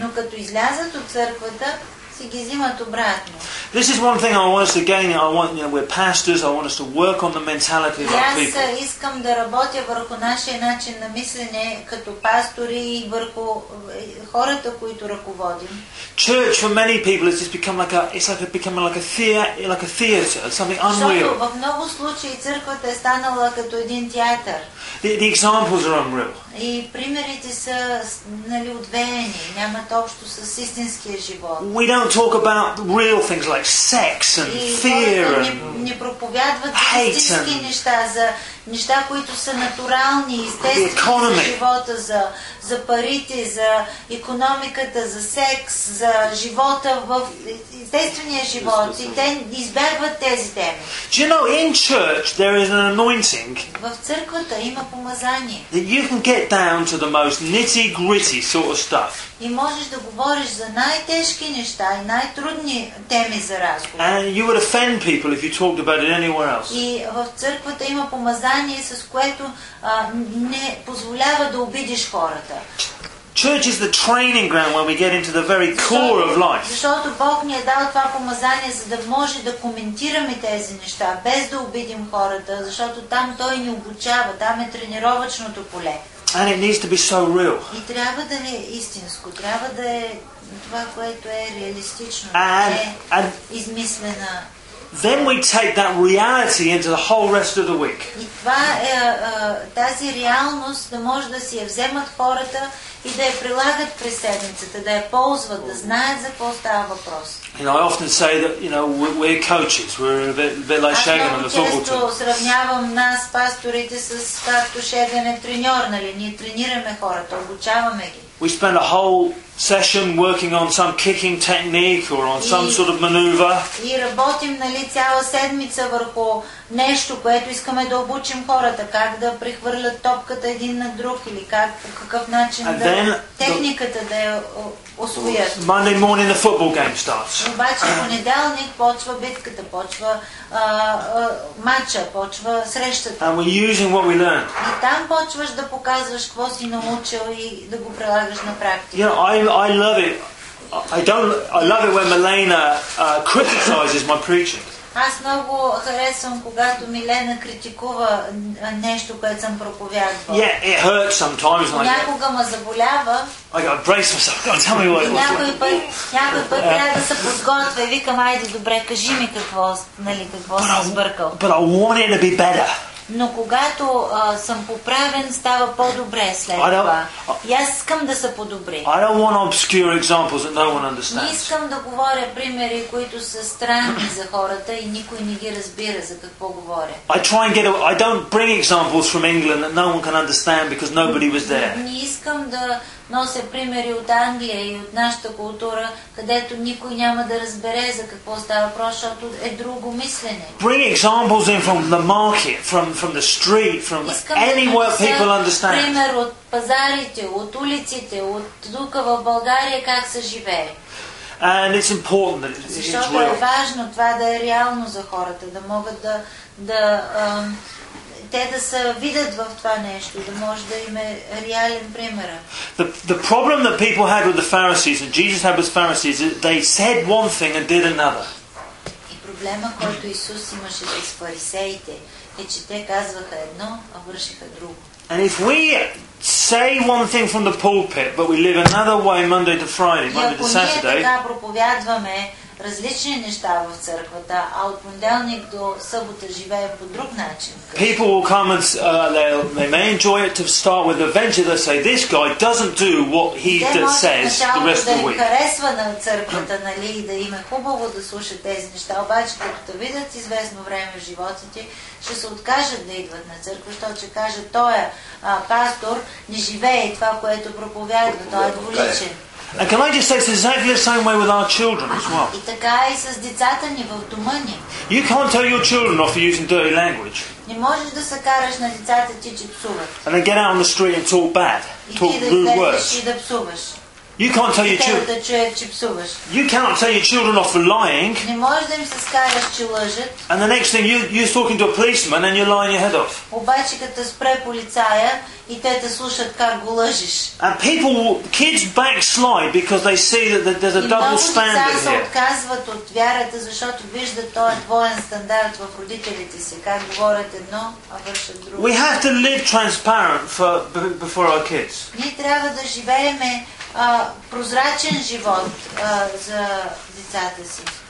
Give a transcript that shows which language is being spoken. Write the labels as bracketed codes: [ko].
[bg] Но като излязат от църквата, си ги взимат обратно. [en] This is one thing I want us to gain. I want, you know, we're pastors, I want us to work on the mentality of our people. [bg] Аз искам да работя върху нашия начин на мислене като пастори и върху хората, които ръководим. [en] Church for many people has just become like a theater, something unreal. [bg] Защото в много случаи църквата е станала като един театър. [en] The examples are unreal. [bg] И примерите са, нали, отвеяни, нямат общо с истинския живот. [en] We don't talk about real things like sex and fear [bg] не, проповядват истински неща, за неща, които са натурални, естествени за живота, за парите, за економиката, за секс, за живота в естествения живот. И те избягват тези теми. [en] Do you know, in church there is an anointing. [bg] В църквата има помазание. [en] That you can get down to the most nitty gritty sort of stuff. [bg] И можеш да говориш за най-тежки неща и най-трудни теми за разговор. [en] And you would offend people if you talked about it anywhere else. [bg] И в църквата има помазание, с което не позволява да обидиш хората. [en] Church is the training ground where we get into the very core of life. [bg] Защото Бог ни е дал това помазание, за да може да коментираме тези неща, без да обидим хората, защото там Той ни обучава, там е тренировъчното поле. [en] And it needs to be so real. [bg] И трябва да е истинско, трябва да е това, което е реалистично, не е измислена. [en] Then we take that reality into the whole rest of the week. [bg] И това е тази реалност, да може да си я вземат хората и да я прилагат през седмицата, да я ползват, да знаят за какво става въпрос. [en] You know, I often say that, you know, we're coaches. We're a bit like Shagan on the football team. [bg] Често сравнявам нас, пасторите, с както Шеган е треньор, нали? Ние тренираме хората, обучаваме ги. [en] We spend a whole session working on some kicking technique or on some sort of maneuver. [bg] И работим, нали, цяла седмица върху нещо, което искаме да обучим хората, как да прехвърлят топката един на друг или как, по какъв начин да техниката да я освоят. [en] Monday morning the football game starts. [bg] Обаче понеделник почва битката, почва матча, почва срещата. [en] And we're using what we learned. [bg] И там почваш да показваш какво си научил и да го прилагаш на практика. [en] You know, I love it. I love it when Milena criticizes my preaching. [bg] Аз много харесвам, когато Милена критикува нещо, което съм проповядвал. [en] Yeah, it hurts sometimes. [bg] Някога ме заболява. [en] I got to brace myself. God, tell me what it was. [bg] Някой път трябва да се подготвя и викам, айде добре, кажи ми какво, нали, какво съм сбъркал. [en] But I want it to be better. [bg] Но когато съм поправен, става по-добре след това. И аз искам да са по-добри. [en] I don't want obscure examples that no one understands. [bg] Не искам да говоря примери, които са странни за хората и никой не ги разбира за какво говоря. [en] I don't bring examples from England that no one can understand because nobody was there. [bg] Не искам да нося примери от Англия и от нашата култура, където никой няма да разбере за какво става въпрос, защото е друго мислене. [en] Bring examples in from the market, from the street, from anywhere people understand. [bg] Пример от пазарите, от улиците, от тук в България как се живее. [en] And it's important that it's [bg] Защото е важно това да е реално за хората, да могат да те да се видят в това нещо, да може да има реален пример. [en] The problem that people had with the Pharisees and Jesus had with Pharisees is they said one thing and did another. [bg] И проблема, който Исус имаше с фарисеите, е че те казваха едно, а вършиха друго. [en] And if we say one thing from the pulpit, but we live another way Monday to Friday, Monday to Saturday. [bg] Ние така проповядваме различни неща в църквата, а от понеделник до събота живеем по друг начин. [en] People will come and they may enjoy it to start with. Eventually they say, this guy doesn't do what he says the rest of the week. [bg] Да харесва на църквата, нали, и да им е хубаво да слушат тези неща, обаче като те видят известно време в живота ти, ще се откажат да идват на църква, защото ще кажат, той пастор не живее това, което проповядва, той е двуличен. [en] And can I just say, it's exactly the same way with our children as well. [bg] И така и с децата ни в дома ни. [en] You can't tell your children off for using dirty language. [bg] Не можеш да се караш на децата ти, че псуват. [en] And then get out on the street and talk bad, talk rude words. [bg] И да псуваш. [en] You can't tell your children. [bg] Да чуят, че псуваш. [en] You cannot tell your children off for lying. [bg] Не можеш да им се караш, че лъжат. [en] And the next thing you're talking to a policeman and you're lying your head off. [bg] Обаче като спре полицая и те те слушат как го лъжиш. [en] And people, kids backslide because they see that there's a double standard here. [bg] И децата отказват от вярата, защото виждат този двоен стандарт в родителите си, как говорят едно, а вършат друго. [en] We have to live transparent before our kids. [bg] Ние трябва да живеем прозрачен живот за децата си.